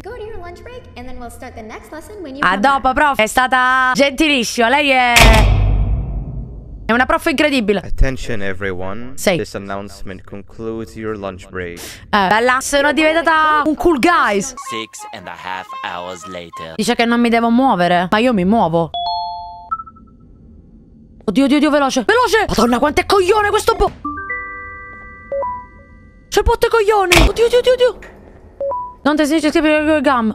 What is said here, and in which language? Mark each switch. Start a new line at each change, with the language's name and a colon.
English: Go to your lunch break and then we'll start the next lesson when you come back.
Italian: A dopo, prof. È stata gentilissima, lei è... È una prof incredibile.
English: Attention everyone. Sì. This announcement concludes your lunch break.
Italian: Bella, sono diventata un cool guys.
English: 6.5 hours later.
Italian: Dice che non mi devo muovere, ma io mi muovo. Oddio, oddio, oddio, veloce. Veloce! Madonna, quanto è coglione questo bot. C'è il bot coglione. Oddio, oddio, oddio, oddio. Non ti sentite più il gum.